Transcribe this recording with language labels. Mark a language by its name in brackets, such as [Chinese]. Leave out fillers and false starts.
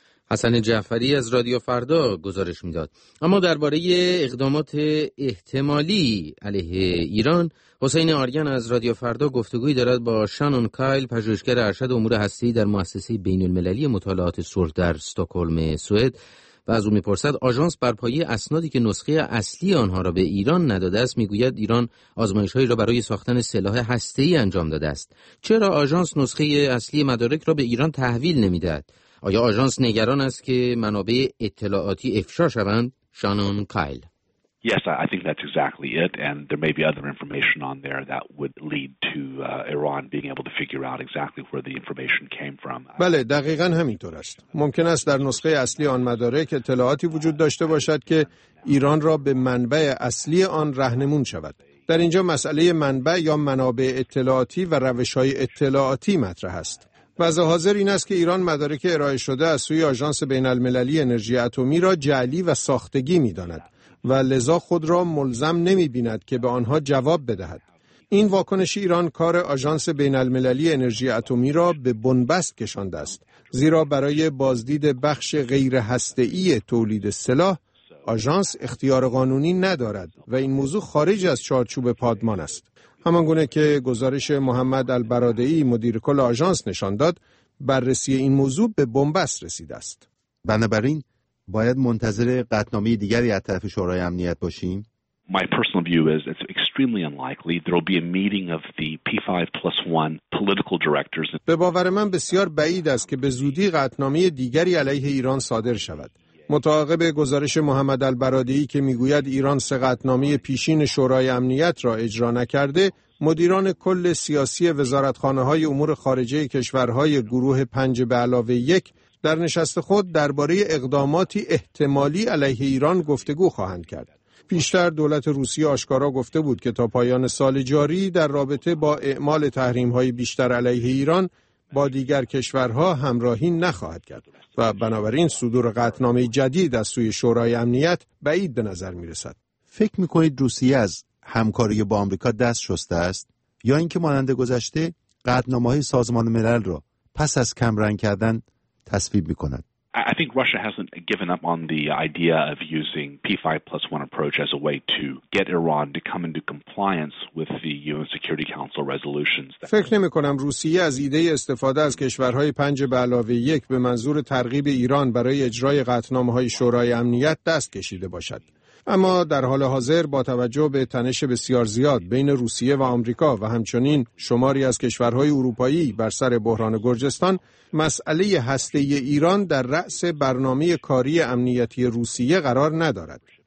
[Persian] حسن جعفری از رادیو فردا گزارش میداد. اما درباره اقدامات احتمالی علیه ایران، حسین آریان از رادیو فردا گفتگویی دارد با شانون کایل، پژوهشگر ارشد امور هستی در مؤسسه بین المللی مطالعات صلح در استکهلم سوئد، و از او میپرسد آژانس بر پایه اسنادی که نسخه اصلی آنها را به ایران نداده است میگوید ایران آزمایش‌هایی را برای ساختن سلاح هسته‌ای انجام داده است. چرا آژانس نسخه اصلی مدارک را به ایران تحویل نمی‌دهد؟ آیا آژانس نگران است که منابع اطلاعاتی افشا شوند؟ شانون کایل: [English] Yes, I think that's exactly it, and there may be other information on there that would lead to Iran being able to figure out exactly where the information came from. [Persian] بله، دقیقاً همینطور است. ممکن است در نسخه اصلی آن مدارک اطلاعاتی وجود داشته باشد که ایران را به منبع اصلی آن رهنمون شود. در اینجا مسئله منبع یا منابع اطلاعاتی و روش‌های اطلاعاتی مطرح است. وضع حاضر این است که ایران مدارک ارائه شده از سوی آژانس بین‌المللی انرژی اتمی را جعلی و ساختگی می‌داند و لذا خود را ملزم نمی‌بیند که به آنها جواب بدهد. این واکنش ایران کار آژانس بین‌المللی انرژی اتمی را به بن‌بست کشانده است، زیرا برای بازدید بخش غیر هسته‌ای تولید سلاح آژانس اختیار قانونی ندارد و این موضوع خارج از چارچوب پادمان است. همان گونه که گزارش محمد البرادعی مدیر کل آژانس نشان داد، بررسی این موضوع به بن‌بست رسیده است. بنابراین باید منتظر قطعنامه دیگری از طرف شورای امنیت باشیم؟ [English] My personal view is it's extremely unlikely there will be a meeting of the P5+1 political directors. [Persian] به باور من بسیار بعید است که به زودی قطعنامه دیگری علیه ایران صادر شود. متعاقب گزارش محمد البرادعی که میگوید ایران سه قطعنامه پیشین شورای امنیت را اجرا نکرده، مدیران کل سیاسی وزارتخانه‌های امور خارجه کشورهای گروه 5 به علاوه 1 در نشست خود درباره اقداماتی احتمالی علیه ایران گفتگو خواهند کرد. پیشتر دولت روسیه آشکارا گفته بود که تا پایان سال جاری در رابطه با اعمال تحریم‌های بیشتر علیه ایران با دیگر کشورها همراهی نخواهد کرد و بنابراین صدور قطعنامه جدید از سوی شورای امنیت بعید به نظر می‌رسد. فکر می‌کنید روسیه از همکاری با آمریکا دست شسته است یا اینکه مانند گذشته قطعنامه‌های سازمان ملل را پس از کم رنگ کردن تصویب میکند؟ [English] I think Russia hasn't given up on the idea of using P5+1 approach as a way to get Iran to come into compliance with the UN Security Council resolutions. [Persian] فکر نمی‌کنم روسیه از ایده استفاده از کشورهای 5 به علاوه 1 به منظور ترغیب ایران برای اجرای قطعنامه‌های شورای امنیت دست کشیده باشد. اما در حال حاضر با توجه به تنش بسیار زیاد بین روسیه و آمریکا و همچنین شماری از کشورهای اروپایی بر سر بحران گرجستان، مسئله هسته‌ای ایران در رأس برنامه کاری امنیتی روسیه قرار ندارد.